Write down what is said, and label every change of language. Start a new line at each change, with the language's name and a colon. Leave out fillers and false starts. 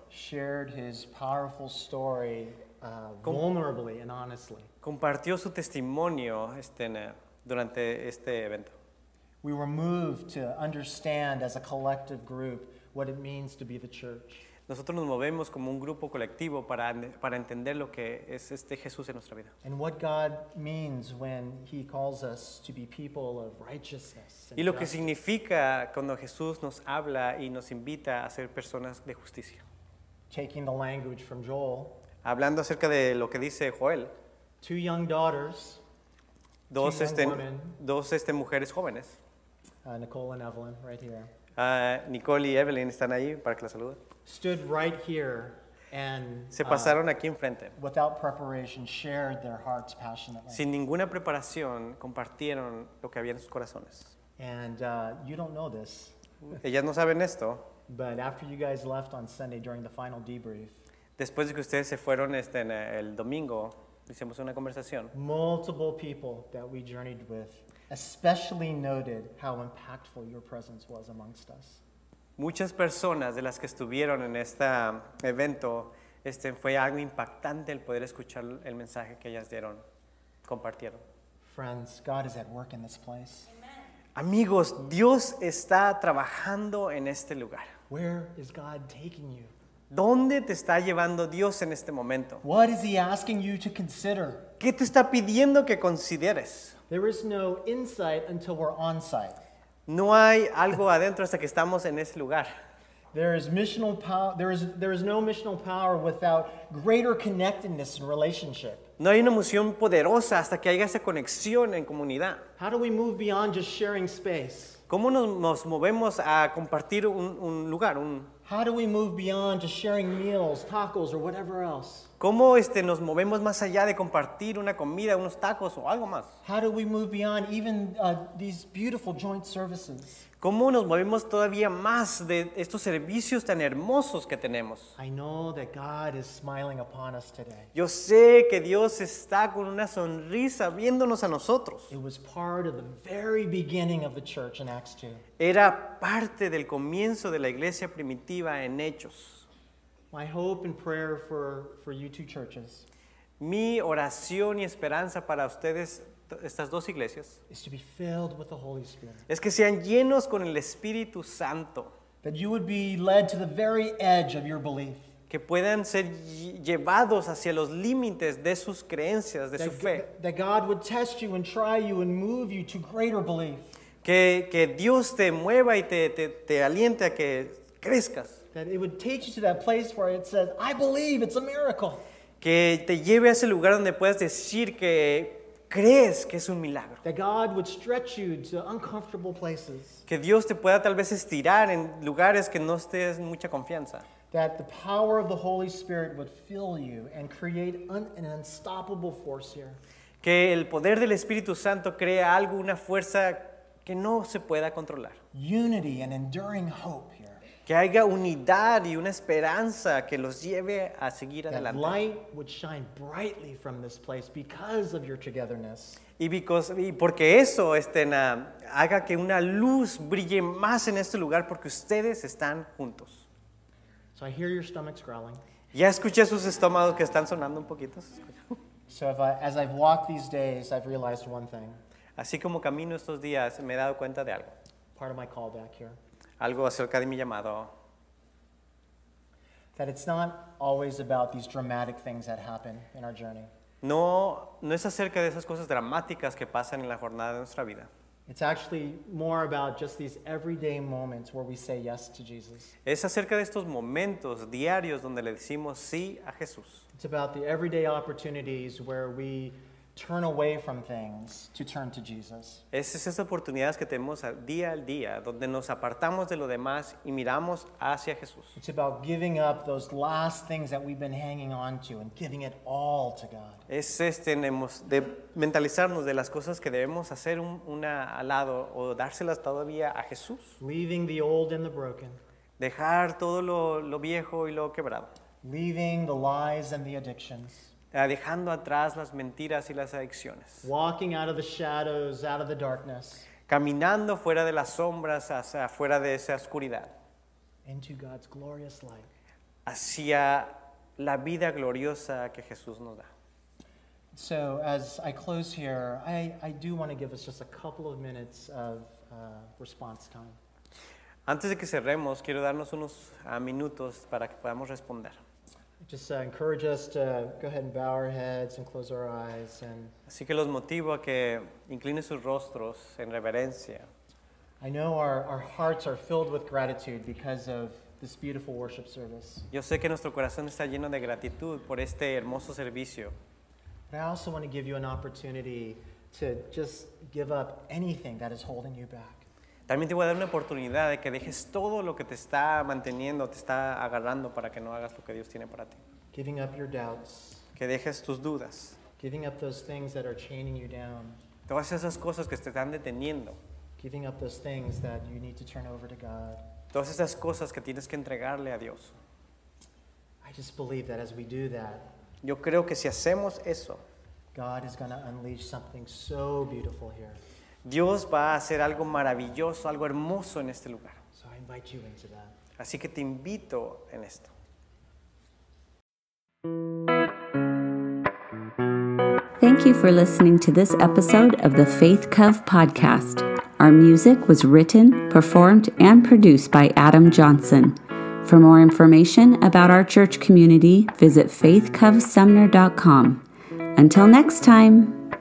English: Shared his powerful story vulnerably and honestly.
Spanish: Compartió su testimonio durante este evento.
English: We were moved to understand as a collective group what it means to be the church.
Spanish: Nosotros nos movemos como un grupo colectivo para entender lo que es Jesús en nuestra vida.
English: And what God means when he calls us to be people of righteousness.
Spanish: Y lo que significa cuando Jesús nos habla y nos invita a ser personas de justicia.
English: Taking the language from Joel.
Spanish: Hablando acerca de lo que dice Joel.
English: Two young daughters.
Spanish: Dos mujeres jóvenes.
English: Nicole and Evelyn right here.
Spanish: Nicole y Evelyn están ahí para que la saluden.
English: Stood right here and
Spanish: se pasaron aquí enfrente.
English: Without preparation shared their hearts passionately.
Spanish: Sin ninguna preparación compartieron lo que había en sus corazones.
English: And you don't know this.
Spanish: Ellas no saben esto.
English: But after you guys left on Sunday during the final debrief.
Spanish: Después de que ustedes se fueron el domingo, hicimos una conversación.
English: Multiple people that we journeyed with especially noted how impactful your presence was amongst us.
Spanish: Muchas personas de las que estuvieron en este evento, fue algo impactante el poder escuchar el mensaje que ellas dieron, compartieron.
English: Friends, God is at work in this place.
Spanish: Amigos, Dios está trabajando en este lugar.
English: Where is God taking you?
Spanish: ¿Dónde te está llevando Dios en este momento?
English: What is he asking you to consider?
Spanish: ¿Qué te está pidiendo que consideres?
English: There is no insight until we're on site.
Spanish: No hay algo adentro hasta que estamos en ese lugar.
English: There is no missional power without greater connectedness and relationship.
Spanish: No hay una misión poderosa hasta que haya esa conexión en comunidad.
English: How do we move beyond just sharing space?
Spanish: ¿Cómo nos movemos a compartir un lugar?
English: How do we move beyond just sharing meals, tacos, or whatever else?
Spanish: ¿Cómo nos movemos más allá de compartir una comida, unos tacos o algo más?
English: How do we move beyond even these beautiful joint services?
Spanish: ¿Cómo nos movemos todavía más de estos servicios tan hermosos que tenemos?
English: I know that God is smiling upon us today.
Spanish: Yo sé que Dios está con una sonrisa viéndonos a nosotros.
English: It was part of the very beginning of the church in Acts 2.
Spanish: Era parte del comienzo de la iglesia primitiva en Hechos.
English: My hope and prayer for you two churches.
Spanish: Mi oración y esperanza para ustedes estas dos iglesias.
English: Is to be filled with the Holy Spirit.
Spanish: Es que sean llenos con el Espíritu Santo.
English: That you would be led to the very edge of your belief.
Spanish: Que puedan ser llevados hacia los límites de sus creencias, de su fe.
English: That God would test you and try you and move you to greater belief.
Spanish: Que Dios te mueva y te aliente a que crezcas.
English: That it would take you to that place where it says, I believe, it's a miracle.
Spanish: Que te lleve a ese lugar donde puedas decir que crees que es un milagro.
English: That God would stretch you to uncomfortable places.
Spanish: Que Dios te pueda tal vez estirar en lugares que no estés mucha confianza.
English: that the power of the Holy Spirit would fill you and create an unstoppable force here.
Spanish: Que el poder del Espíritu Santo crea algo, una fuerza que no se pueda controlar.
English: Unity and enduring hope here.
Spanish: Que haya unidad y una esperanza que los lleve a seguir
English: that
Spanish: adelante.
English: That light would shine brightly from this place because of your togetherness.
Spanish: Y porque eso haga que una luz brille más en este lugar porque ustedes están juntos.
English: So I hear your stomachs growling.
Spanish: Ya escuché sus estómagos que están sonando un poquito.
English: So as I've walked these days, I've realized one thing.
Spanish: Así como camino estos días, me he dado cuenta de algo.
English: Part of my call back here.
Spanish: Algo acerca de mi llamado.
English: That it's not always about these dramatic things that happen in our journey.
Spanish: No es acerca de esas cosas dramáticas que pasan en la jornada de nuestra vida.
English: It's actually more about just these everyday moments where we say yes to Jesus.
Spanish: Es acerca de estos momentos diarios donde le decimos sí a Jesús.
English: It's about the everyday opportunities where we turn away from things to turn to Jesus.
Spanish: Esas oportunidades que tenemos día al día donde nos apartamos de lo demás y miramos hacia Jesús.
English: It's about giving up those last things that we've been hanging on to and giving it all to God.
Spanish: Tenemos de mentalizarnos de las cosas que debemos hacer una al lado o dárselas todavía a Jesús.
English: Leaving the old and the broken.
Spanish: Dejar todo lo viejo y lo quebrado.
English: Leaving the lies and the addictions.
Spanish: Dejando atrás las mentiras y las adicciones.
English: Walking out of the shadows, out of the darkness.
Spanish: Caminando fuera de las sombras, hacia fuera de esa oscuridad.
English: Into God's glorious light.
Spanish: Hacia la vida gloriosa que Jesús nos da.
English: So as I close here, I do want to give us just a couple of minutes of response time.
Spanish: Antes de que cerremos, quiero darnos unos minutos para que podamos responder.
English: Just encourage us to go ahead and bow our heads and close our eyes. And
Spanish: así que los motivo a que inclinen sus rostros en reverencia.
English: I know our hearts are filled with gratitude because of this beautiful worship service.
Spanish: Yo sé que nuestro corazón está lleno de gratitud por este hermoso servicio.
English: But I also want to give you an opportunity to just give up anything that is holding you back.
Spanish: También te voy a dar una oportunidad de que dejes todo lo que te está manteniendo, te está agarrando para que no hagas lo que Dios tiene para ti.
English: Giving up your doubts.
Spanish: Que dejes tus dudas.
English: Giving up those things that are chaining you down.
Spanish: Todas esas cosas que te están deteniendo.
English: Giving up those things that you need to turn over to God.
Spanish: Todas esas cosas que tienes que entregarle a Dios.
English: I just believe that as we do that,
Spanish: yo creo que si hacemos eso,
English: God is going to unleash something so beautiful here.
Spanish: Dios va a hacer algo maravilloso, algo hermoso en este lugar.
English: So I invite you into that.
Spanish: Así que te invito en esto.
English: Thank you for listening to this episode of the Faith Cove Podcast. Our music was written, performed, and produced by Adam Johnson. For more information about our church community, visit faithcovesumner.com. Until next time.